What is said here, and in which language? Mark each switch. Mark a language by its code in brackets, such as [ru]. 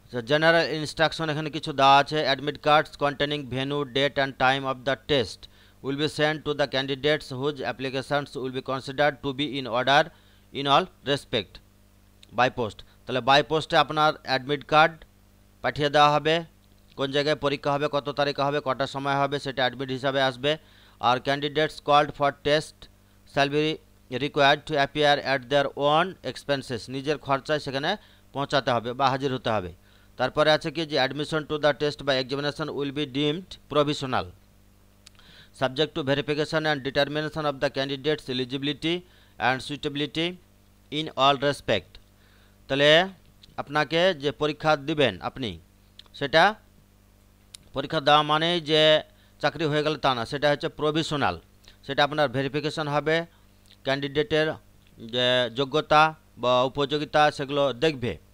[en] general instruction [bn] এখানে কিছু দেওয়া আছে, [en] admit cards containing venue date and time of the test will be send to the candidates whose applications will be consider to be in order in all respect by post, [bn] তাহলে by পোস্টে আপনার admit card পাঠিয়ে দেওয়া হবে, কোন জায়গায় পরীক্ষা হবে, কত তারিখে হবে, কটার সময় হবে সেটা অ্যাডমিট হিসাবে আসবে, [en] আর candidates called for test shall be required to appear at their own expenses, [bn] নিজের খরচায় সেখানে পৌঁছাতে হবে বা হাজির হতে হবে। তারপরে আছে কি, যে [en] Admission to the test বা examination will be deemed provisional, subject to verification and determination of the candidate's eligibility and suitability in all respect. [bn] তাহলে আপনাকে যে পরীক্ষা দিবেন আপনি সেটা পরীক্ষা দেওয়া মানে যে চাকরি হয়ে গেল তা না, সেটা হচ্ছে প্রভিশনাল, সেটা আপনার ভেরিফিকেশন হবে, ক্যান্ডিডেটের যে যোগ্যতা বা উপযোগিতা সেগুলো দেখবে।